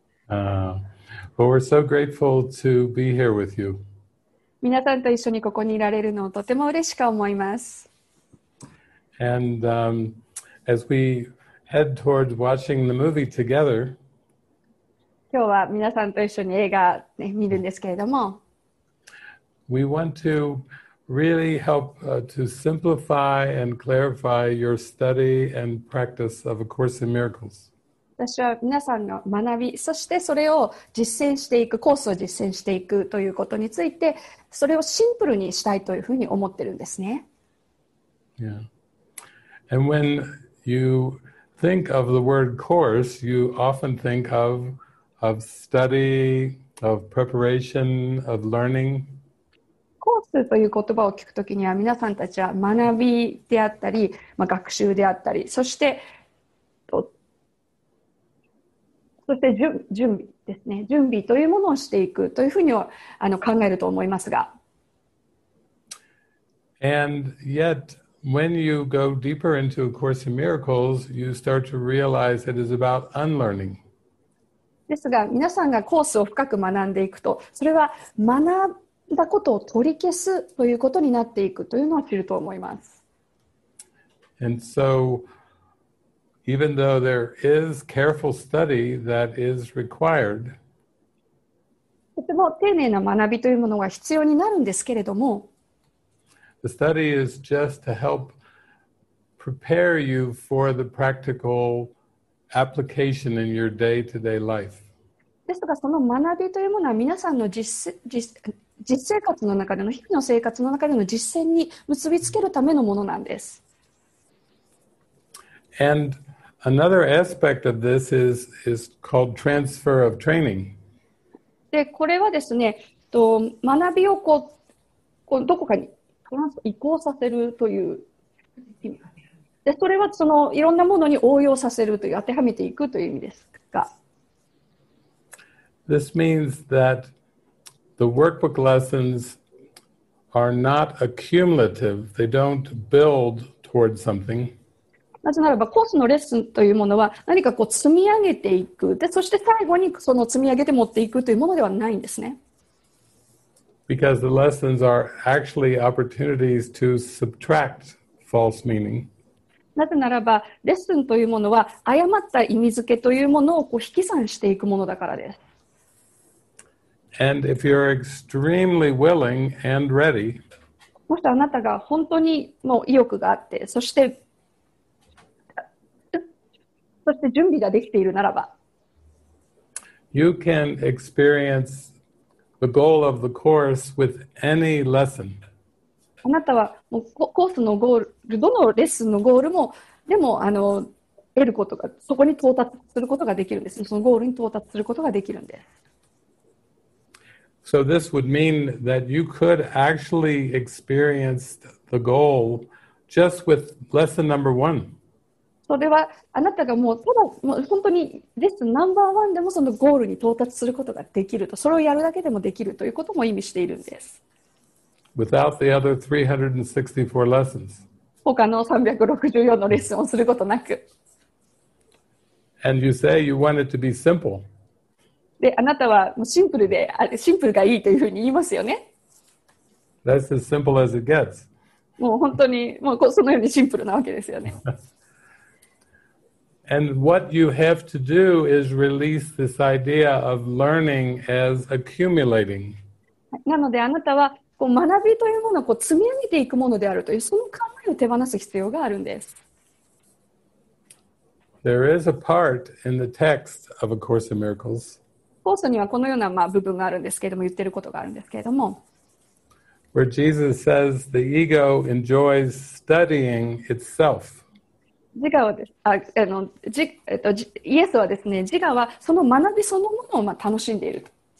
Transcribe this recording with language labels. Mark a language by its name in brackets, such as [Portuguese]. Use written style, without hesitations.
[English] well, we're so grateful to be here with you. [Japanese] 皆さんと一緒にここにいられるのをとても嬉しく思います。 [English] And as we head towards watching the movie together, [Japanese] 今日は皆さんと一緒に映画、ね、見るんですけれども。 [English] we want to really help to simplify and clarify your study and practice of A Course in Miracles. [Japanese] 私は皆さんの学び、そしてそれを実践していく、コースを実践していくということについて、それをシンプルにしたいというふうに思ってるんですね。 [English] Yeah. And when you think of the word course, you often think of study, of preparation, of learning. [Japanese] コースという言葉を聞くときには、皆さんたちは学びであったり、まあ、学習であったり、そして準備ですね。準備というものをしていくというふうには考えると思いますが。 [English] And yet, when you go deeper into A Course in Miracles, you start to realize it is about unlearning. [Japanese] ですが、皆さんがコースを深く学んでいくと、それは学んだことを取り消すということになっていくというのを知ると思います。 [English] And so, even though there is careful study that is required, [Japanese] とても丁寧な学びというものが必要になるんですけれども、 [English] The study is just to help prepare you for the practical application in your day-to-day life. [Japanese] ですが、その学びというものは皆さんの実生活の中での、日々の生活の中での実践に結びつけるためのものなんです。 [English] And another aspect of this is called transfer of training. [Japanese] で、これはですね、学びをどこかに移行させるという意味です。で、それはそのいろんなものに応用させるという、当てはめていくという意味ですが。 [English] This means that the workbook lessons are not accumulative. They don't build towards something. [Japanese] なぜならば、コースのレッスンというものは何かこう積み上げていく、で、そして最後にその積み上げて持っていくというものではないんですね。 [English] Because the lessons are actually opportunities to subtract false meaning. [Japanese] なぜならば、レッスンというものは誤った意味付けというものをこう引き算していくものだからです。 [English] And if you're extremely willing and ready, [Japanese] もしあなたが本当にもう意欲があって、そして準備ができているならば、 [English] you can experience the goal of the course with any lesson. [Japanese] あなたはもうコースのゴール、どのレッスンのゴールも、でも得ることが、そこに到達することができるんです。そのゴールに到達することができるんです。 [English] So this would mean that you could actually experience the goal just with lesson number one. [Japanese] それはあなたがもうただ、もう本当にレッスンナンバーワンでもそのゴールに到達することができると、それをやるだけでもできるということも意味しているんです。 [English] Without the other 364 lessons. [Japanese] 他の364のレッスンをすることなく。 [English] And you say you want it to be simple. [Japanese] で、あなたはもうシンプルがいいというふうに言いますよね。 [English] That's as simple as it gets. [Japanese] もう本当にもうそのようにシンプルなわけですよね。 [English] And what you have to do is release this idea of learning as accumulating. [Japanese] なので、あなたは学びというものをこう積み上げていくものであるという、その考えを手放す必要があるんです。 [English] There is a part in the text of A Course in Miracles. [Japanese] コースにはこのようなまあ部分があるんですけれども、言っていることがあるんですけれども、 [English] Where Jesus says the ego enjoys studying itself. [Japanese] 自我はです、あ、あのじ、えっと、じ、イエスはですね、自我はその学びそのものをまあ楽しんでいると。